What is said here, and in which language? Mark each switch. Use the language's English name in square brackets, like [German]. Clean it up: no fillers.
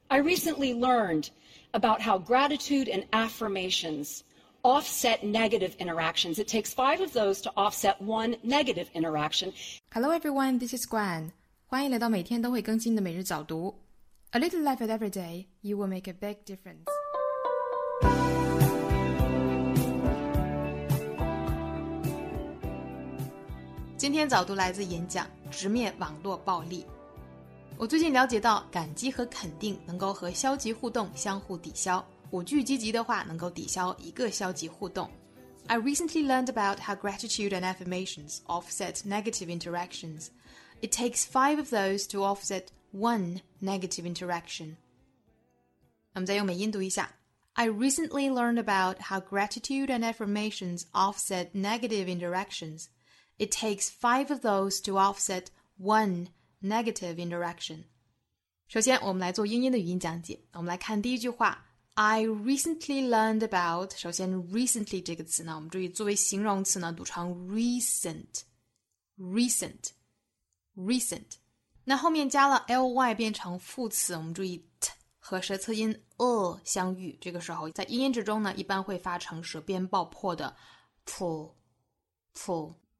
[English] I recently learned about how gratitude and affirmations offset negative interactions. It takes 5 of those to offset 1 negative interaction. Hello everyone, this is Gwen. [Chinese] 欢迎来到每天都会更新的每日早读。 [English] A little laugh at every day, you will make a big difference. [Chinese] 今天早读来自演讲，直面网络暴力。我最近了解到，感激和肯定能够和消极互动相互抵消，5句积极的话能够抵消一个消极互动。 [English] I recently learned about how gratitude and affirmations offset negative interactions. It takes 5 of those to offset 1 negative interaction. [Chinese] 那么再用美音读一下。 [English] I recently learned about how gratitude and affirmations offset negative interactions. It takes 5 of those to offset 1 negative interaction. [Chinese] 首先我们来做英音的语音讲解。我们来看第一句话。 [English] I recently learned about, [Chinese] 首先 recently 这个词呢，我们注意作为形容词呢，读成 recent, recent, recent. 那后面加了 ly 变成副词，我们注意 t 和舌侧音 e 相遇，这个时候在英音之中呢，一般会发成舌边爆破的 t, t.